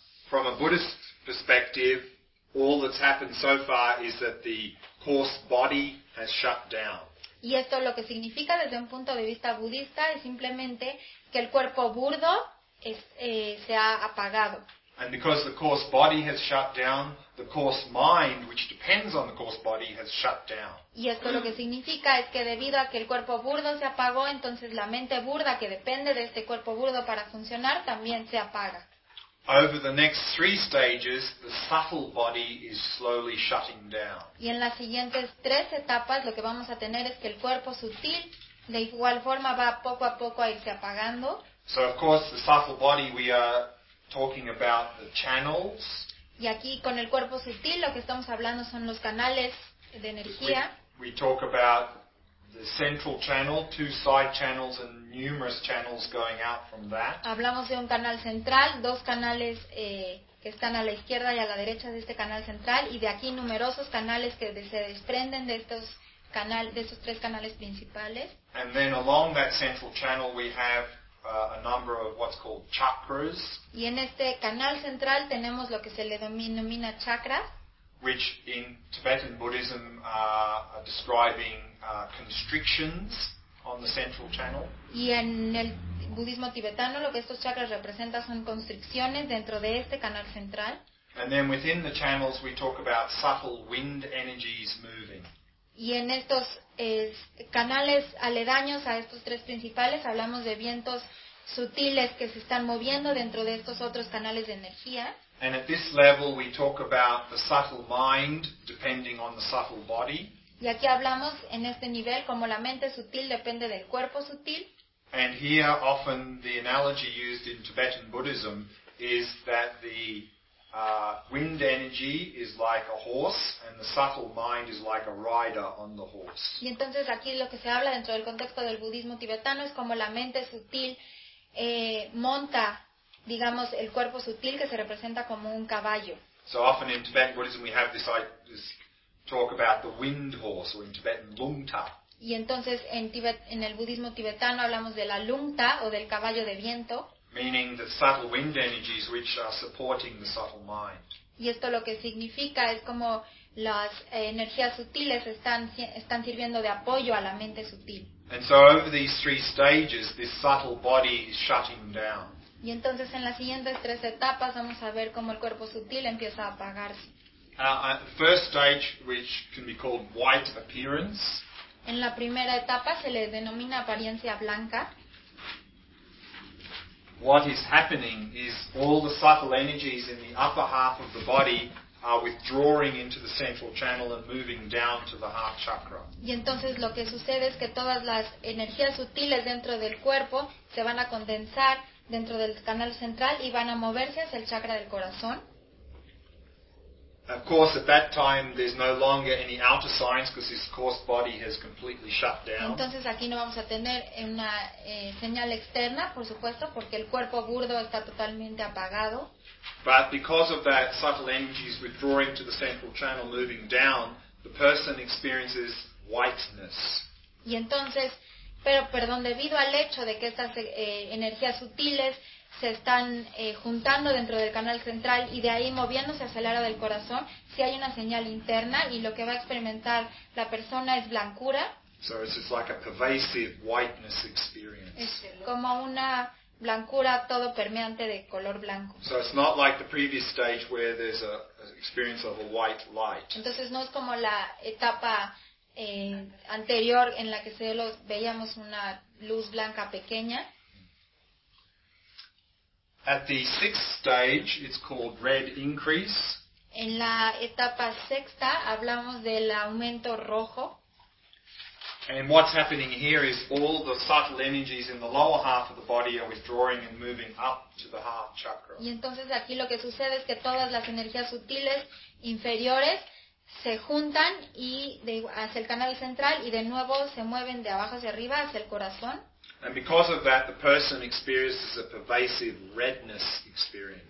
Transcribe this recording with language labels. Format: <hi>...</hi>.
<en>From a Buddhist perspective, all that's happened so far is that the coarse body has shut down.</en> <es>Y esto lo que significa desde un punto de vista budista es simplemente que el cuerpo burdo se ha apagado.</es> <en>And because the coarse body has shut down, the coarse mind, which depends on the coarse body, has shut down.</en> <es>Y esto lo que significa es que debido a que el cuerpo burdo se apagó, entonces la mente burda, que depende de este cuerpo burdo para funcionar, también se apaga.</es> <en>Over the next three stages, the subtle body is slowly shutting down.</en> <es>Y en las siguientes tres etapas, lo que vamos a tener es que el cuerpo sutil, de igual forma, va poco a poco a irse apagando.</es> <en>So of course, the subtle body, we are talking about the channels.</en> <es>Y aquí con el cuerpo sutil lo que estamos hablando son los canales de energía.</es> <en>We talk about the central channel, two side channels and numerous channels going out from that.</en> <es>Hablamos de un canal central, dos canales que están a la izquierda y a la derecha de este canal central, y de aquí numerosos canales que se desprenden de estos canales, de esos tres canales principales.</es> <en>And then along that central channel we have a number of what's called chakras.</en> <es>Y en este canal central tenemos lo que se le denomina chakras,</es> <en>which in Tibetan Buddhism are describing constrictions on the central channel.</en> <es>Y en el budismo tibetano lo que estos chakras representan son constricciones dentro de este canal central.</es> <en>And then within the channels we talk about subtle wind energies moving.</en> <es>Y en estos canales aledaños a estos tres principales hablamos de vientos sutiles que se están moviendo dentro de estos otros canales de energía.</es> <en>And at this level we talk about the subtle mind depending on the subtle body.</en> <es>Y aquí hablamos en este nivel como la mente sutil depende del cuerpo sutil.</es> <en>And here often the analogy used in Tibetan Buddhism is that the wind energy is like a horse and the subtle mind is like a rider on the horse.</en> <es>Y entonces aquí lo que se habla dentro del contexto del budismo tibetano es como la mente sutil monta, digamos, el cuerpo sutil que se representa como un caballo.</es> <en>So often in Tibetan Buddhism we have this talk about the wind horse, or in Tibetan lungta.</en> <es>Y entonces en el budismo tibetano hablamos de la lungta o del caballo de viento.</es> <en>meaning the subtle wind energies which are supporting the subtle mind.</en> <es>Y esto lo que significa es como las energías sutiles están sirviendo de apoyo a la mente sutil.</es> <en>And so over these three stages, this subtle body is shutting down.</en> <es>Y entonces en las siguientes tres etapas vamos a ver cómo el cuerpo sutil empieza a apagarse.</es> <en>First stage, which can be called white appearance.</en> <es>En la primera etapa se le denomina apariencia blanca.</es> <en>What is happening is all the subtle energies in the upper half of the body are withdrawing into the central channel and moving down to the heart chakra.</en> <es>Y entonces lo que sucede es que todas las energías sutiles dentro del cuerpo se van a condensar dentro del canal central y van a moverse hacia el chakra del corazón.</es> <en>Of course, at that time there's no longer any outer signs because this coarse body has completely shut down.</en> <es>Entonces aquí no vamos a tener una señal externa, por supuesto, porque el cuerpo burdo está totalmente apagado.</es> <en>But because of that subtle energy is withdrawing to the central channel, moving down, the person experiences whiteness.</en> <es>Y entonces, debido al hecho de que estas energías sutiles se están juntando dentro del canal central y de ahí moviéndose hacia el área del corazón, sí hay una señal interna y lo que va a experimentar la persona es blancura.</es> <en>So it's just like a pervasive whiteness experience.</en> <es>Es como una blancura todo permeante de color blanco.</es> <en>So it's not like the previous stage where there's a experience of a white light.</en> <es>Entonces no es como la etapa anterior en la que solo veíamos una luz blanca pequeña.</es> <en>At the sixth stage, it's called red increase.</en> <es>En la etapa sexta hablamos del aumento rojo.</es> <en>And what's happening here is all the subtle energies in the lower half of the body are withdrawing and moving up to the heart chakra.</en> <es>Y entonces aquí lo que sucede es que todas las energías sutiles inferiores se juntan y hacia el canal central y de nuevo se mueven de abajo hacia arriba hacia el corazón.</es> <en>And because of that, the person experiences a pervasive redness experience.</en>